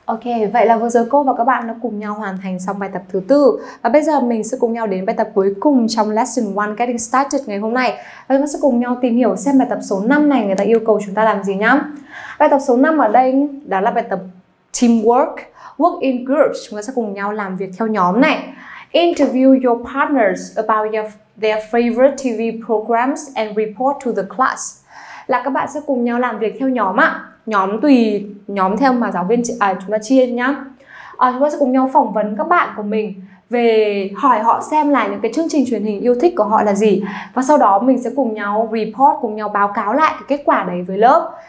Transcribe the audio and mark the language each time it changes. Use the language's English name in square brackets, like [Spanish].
[Vietnamese] Ok, vậy là vừa rồi cô và các bạn đã cùng nhau hoàn thành xong bài tập thứ tư. Và bây giờ mình sẽ cùng nhau đến bài tập cuối cùng trong Lesson 1 Getting Started ngày hôm nay. Và chúng ta sẽ cùng nhau tìm hiểu xem bài tập số 5 này người ta yêu cầu chúng ta làm gì nhá. Bài tập số 5 ở đây đó là bài tập teamwork, [English] work in groups. [Vietnamese] Chúng ta sẽ cùng nhau làm việc theo nhóm này. [English] Interview your partners about their favorite TV programs and report to the class. [Vietnamese] Là các bạn sẽ cùng nhau làm việc theo nhóm ạ. Nhóm tùy nhóm theo mà giáo viên chúng ta chia nhá. Chúng ta sẽ cùng nhau phỏng vấn các bạn của mình về hỏi họ xem là những cái chương trình truyền hình yêu thích của họ là gì. Và sau đó mình sẽ cùng nhau report, cùng nhau báo cáo lại cái kết quả đấy với lớp.